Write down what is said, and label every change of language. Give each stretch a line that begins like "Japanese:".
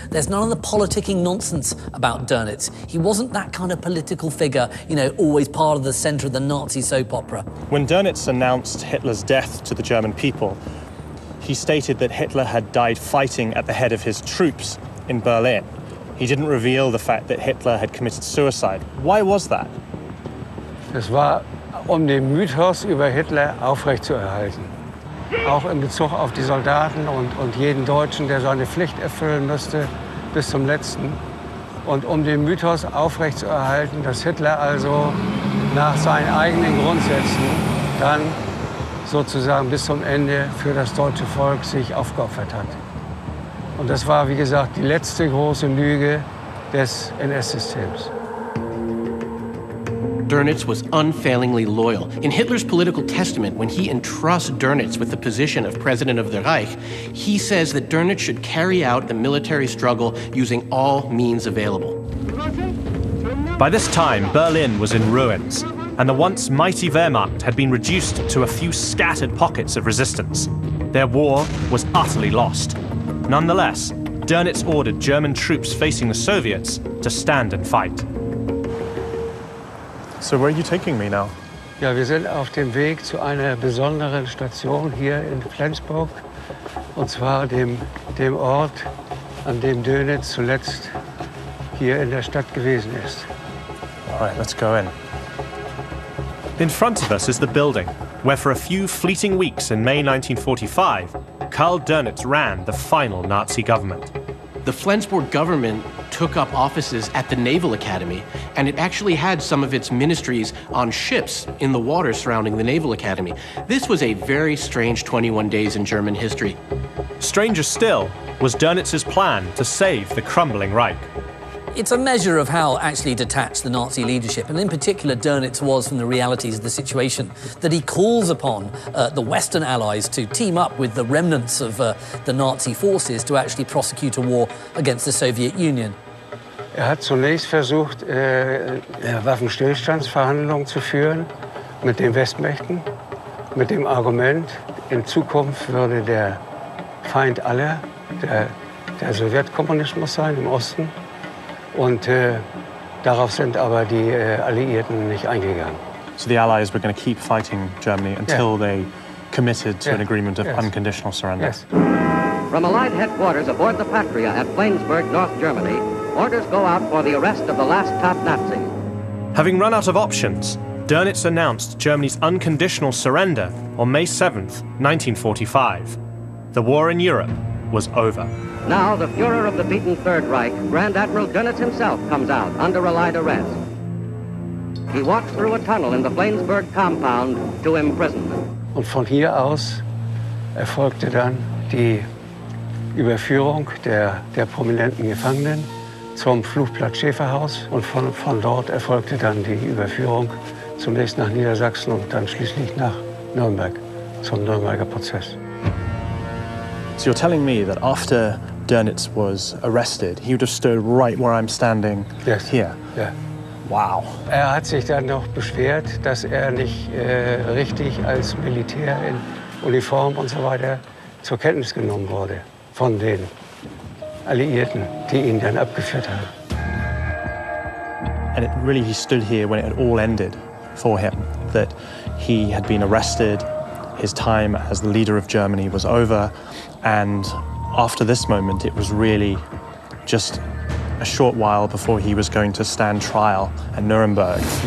English: There's none of the politicking nonsense about Dönitz. He wasn't that kind of political figure, you know, always part of the center of the Nazi soap opera. When Dönitz announced Hitler's death to the German people, he stated that Hitler had died fighting at the head of his troops in Berlin. He didn't reveal the fact that Hitler had committed suicide. Why was that?
German: Es war, um den Mythos über Hitler aufrechtzuerhalten. Auch in Bezug auf die Soldaten und jeden Deutschen, der seine Pflicht erfüllen müsste, bis zum Letzten. Und um den Mythos aufrechtzuerhalten, dass Hitler also nach seinen eigenen Grundsätzen dann sozusagen bis zum Ende für das deutsche Volk sich aufgeopfert hat. Und das war, wie gesagt, die letzte große Lüge des NS-Systems.
English: Dönitz was unfailingly loyal. In Hitler's political testament, when he entrusts Dönitz with the position of President of the Reich, he says that Dönitz should carry out the military struggle using all means available. By this time, Berlin was in ruins, and the once mighty Wehrmacht had been reduced to a few scattered pockets of resistance. Their war was utterly lost. Nonetheless, Dönitz ordered German troops facing the Soviets to stand and fight. So where are you taking me now?
German: Ja, wir sind auf dem Weg zu einer besonderen Station hier in Flensburg, und zwar dem Ort, an dem Dönitz zuletzt hier in der Stadt gewesen ist.
English: All right, let's go in. In front of us is the building where for a few fleeting weeks in May 1945, Karl Dönitz ran the final Nazi government. The Flensburg government took up offices at the Naval Academy, and it actually had some of its ministries on ships in the water surrounding the Naval Academy. This was a very strange 21 days in German history. Stranger still was Dönitz's plan to save the crumbling Reich. It's a measure of how actually detached the Nazi leadership, and in particular Dönitz, was from the realities of the situation, that he calls upon the Western allies to team up with the remnants of the Nazi forces to actually prosecute a war against the Soviet Union.
German: Er hat zunächst versucht, Waffenstillstandsverhandlungen zu führen mit den Westmächten, mit dem Argument, in Zukunft würde der Feind aller der Sowjetkommunismus sein im Osten. Und darauf sind aber die Alliierten nicht eingegangen.
English: So the Allies were going to keep fighting Germany until they committed to an agreement of unconditional surrender. Yes. From Allied headquarters aboard the Patria at Flensburg, North Germany, orders go out for the arrest of the last top Nazi. Having run out of options, Dönitz announced Germany's unconditional surrender on May 7th, 1945. The war in Europe was over. Now the Führer of the beaten Third Reich, Grand Admiral Dönitz himself, comes out under Allied arrest. He walks through a tunnel in the Flensburg compound to imprisonment.
German: Und von hier aus erfolgte dann die Überführung der prominenten Gefangenen zum Flugplatz Schäferhaus. Und von dort erfolgte dann die Überführung zunächst nach Niedersachsen und dann schließlich nach Nürnberg zum Nürnberger Prozess.
English: So you're telling me that after Dönitz was arrested, he would have stood right where I'm standing yes. here? Yeah. Wow.
German: Er hat sich dann noch beschwert, dass er nicht richtig als Militär in Uniform und so weiter zur Kenntnis genommen wurde von den Alliierten, die ihn dann abgeführt haben.
English: And it really, he stood here when it had all ended for him, that he had been arrested, his time as the leader of Germany was over, and after this moment, it was really just a short while before he was going to stand trial at Nuremberg.